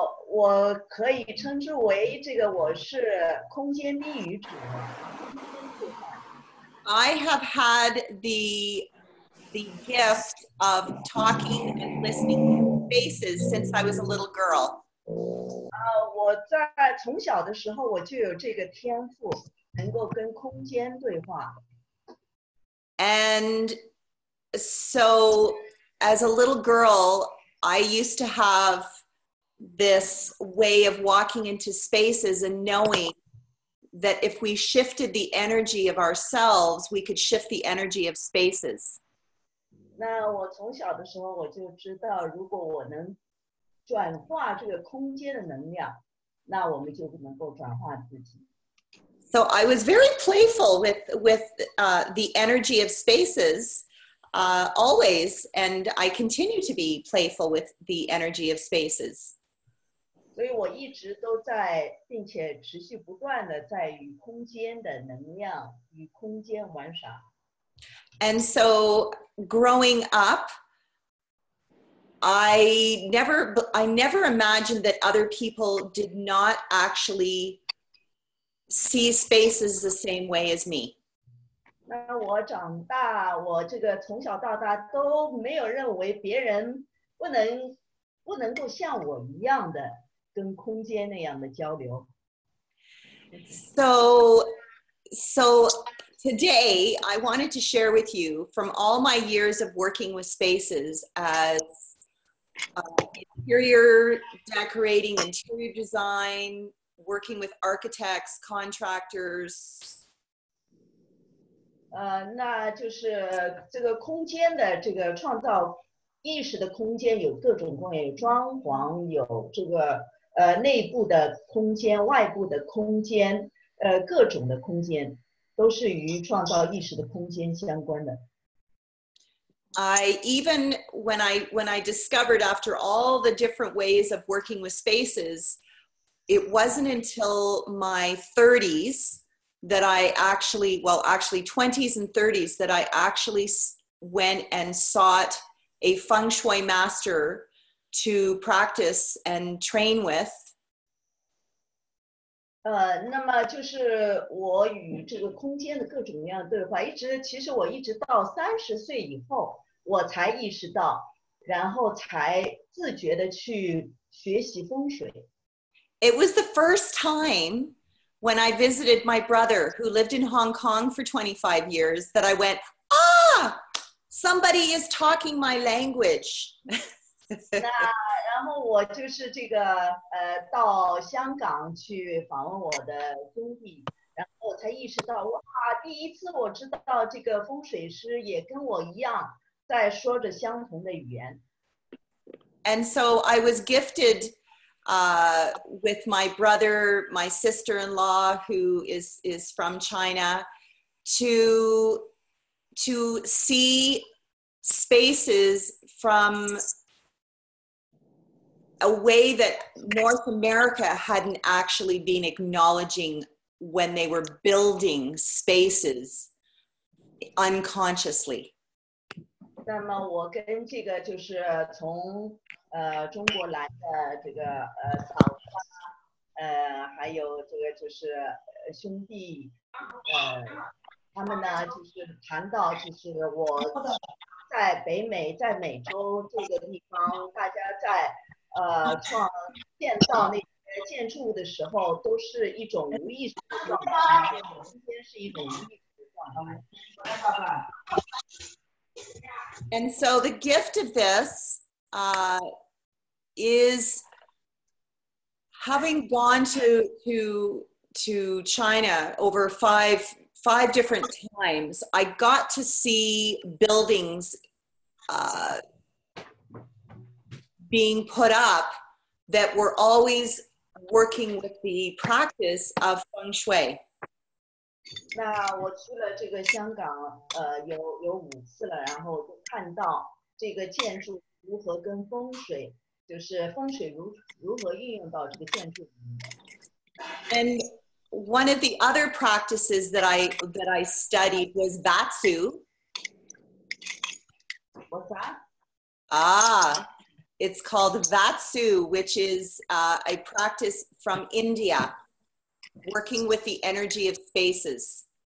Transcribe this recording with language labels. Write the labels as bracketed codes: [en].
[zh] 我可以称之为这个我是空间低语者。 [en] I have had the gift of talking and listening to spaces since I was a little girl. [zh] 我在从小的时候我就有这个天赋，能够跟空间对话。 [en] And so, as a little girl, I used to have this way of walking into spaces and knowing that if we shifted the energy of ourselves, we could shift the energy of spaces. [zh] 那我从小的时候我就知道，如果我能转化这个空间的能量，那我们就能够转化自己。 [en] So I was very playful with the energy of spaces. Always, and I continue to be playful with the energy of spaces. [zh] 所以我一直都在，并且持续不断的在与空间的能量，与空间玩耍。 [en] And so, growing up, I never imagined that other people did not actually see spaces the same way as me. [zh] 那我长大，我这个从小到大都没有认为别人不能够像我一样的跟空间那样的交流。 [en] So today I wanted to share with you from all my years of working with spaces as interior decorating, interior design, working with architects, contractors. [zh] 那就是这个空间的这个创造意识的空间有各种各样，有装潢，有这个内部的空间，外部的空间，各种的空间都是与创造意识的空间相关的。 [en] I discovered after all the different ways of working with spaces, it wasn't until my 30s. That I actually, well, actually 20s and 30s, that I actually went and sought a feng shui master to practice and train with. [zh] 那么就是我与这个空间的各种各样的对话，其实我一直到30岁以后，我才意识到，然后才自觉的去学习风水。 [en] It was the first time. When I visited my brother, who lived in Hong Kong for 25 years, that I went, ah, somebody is talking my language. [zh] 那然后我就是这个到香港去访问我的兄弟，然后才意识到哇，第一次我知道这个风水师也跟我一样在说着相同的语言。 [en] And so I was gifted. With my brother, my sister-in-law, who is from China, to see spaces from a way that North America hadn't actually been acknowledging when they were building spaces unconsciously. [zh] 那么我跟这个就是从中国来的这个嫂子，还有这个就是兄弟，他们呢就是谈到就是我在北美，在美洲这个地方，大家在创建造那些建筑的时候，都是一种无意识的状态，空间是一种无意识的状态。 [en] And so the gift of this, is having gone to China over five different times, I got to see buildings being put up that were always working with the practice of feng shui. [zh] 那我去了这个香港，有五次了，然后就看到这个建筑如何跟风水，就是风水如何运用到这个建筑里面。 [en] And one of the other practices that I studied was Vatsu. What's that? Ah, it's called Vatsu, which is a practice from India, working with the energy of spaces.